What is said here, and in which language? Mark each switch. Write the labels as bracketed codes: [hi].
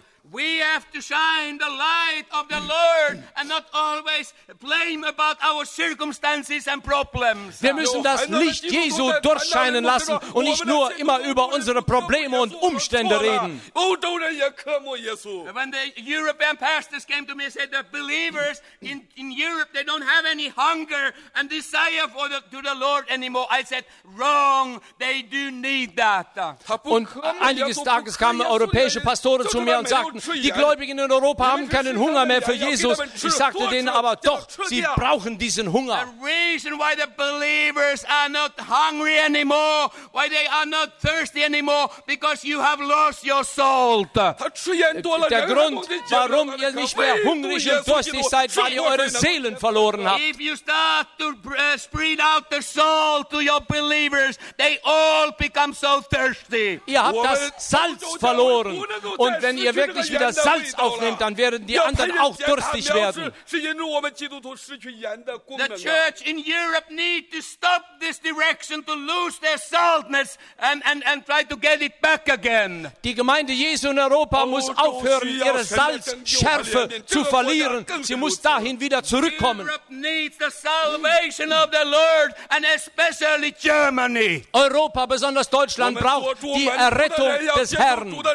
[en] We have to shine the light of the Lord and not always blame about our circumstances and problems. [de] Wir müssen das Licht Jesu durchscheinen lassen und nicht nur immer über unsere Probleme und Umstände reden. [en] When the European pastors came to me and said that believers in Europe, they don't have any hunger and desire for the Lord anymore. I said, wrong, they do need that. [de] Und einiges Tages kamen europäische Pastoren zu mir und sagten, die Gläubigen in Europa haben keinen Hunger mehr für Jesus. Ich sagte denen aber, doch, sie brauchen diesen Hunger. [en] The reason why the believers are not hungry anymore, why they are not thirsty anymore, because you have lost your salt. [de] Der Grund, warum ihr nicht mehr hungrig und durstig seid, weil ihr eure Seelen verloren habt. [en] If you start to spread out the salt to your believers, they all become so thirsty. [de] Ihr habt das Salz verloren. Und wenn ihr wirklich wieder Salz aufnimmt, dann werden die anderen auch durstig werden. [en] The church in Europe need to stop this direction to lose their saltness and try to get it back again. [de] Die Gemeinde Jesu in Europa muss aufhören, ihre Salzschärfe zu verlieren. Sie muss dahin wieder zurückkommen. [en] Europe needs the salvation of the Lord and especially Germany. [de] Europa, besonders Deutschland, braucht die Errettung des Herrn.